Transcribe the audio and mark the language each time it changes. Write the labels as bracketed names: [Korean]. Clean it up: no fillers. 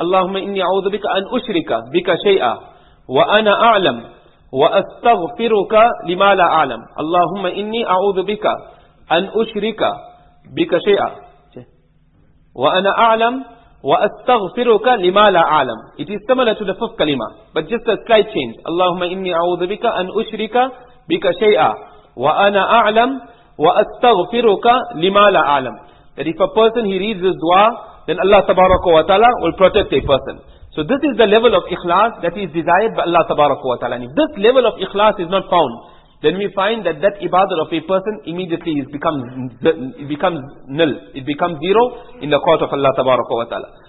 [Arabic] Allahumma inni a'udhu bika an ushrika bika shay'a. Wa ana a'lam. Wa astaghfiruka lima la a'lam. Allahumma inni a'udhu bika an ushrika bika shay'a. وَأَنَا أَعْلَمْ وَأَسْتَغْفِرُكَ لِمَا لَا أَعْلَمْ. [English] It is similar to the fifth kalima, but just a slight change. [Arabic] اللهم إني أعوذ بك أن أشرك بك شيئا وَأَنَا أَعْلَمْ وَأَسْتَغْفِرُكَ لِمَا لَا أَعْلَمْ. [English] That if a person he reads this dua, then Allah [Arabic] تبارك وتعالى [English] will protect a person. So this is the level of ikhlas that is desired by Allah [Arabic] تبارك وتعالى. [English] And if this level of ikhlas is not found, then we find that ibadah of a person immediately becomes zero in the court of Allah tabaraka wa ta'ala.